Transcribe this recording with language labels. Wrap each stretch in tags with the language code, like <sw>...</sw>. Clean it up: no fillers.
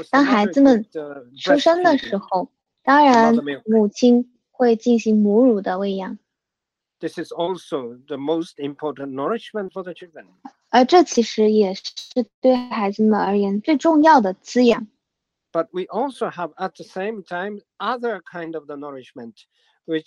<zh>当孩子们出生的时候，当然母亲会进行母乳的喂养。</zh> <en>This is also the most important nourishment for the children.</en> <zh>而这其实也是对孩子们而言最重要的滋养。</zh> <en>But we also have at the same time other kind of the nourishment, which</en>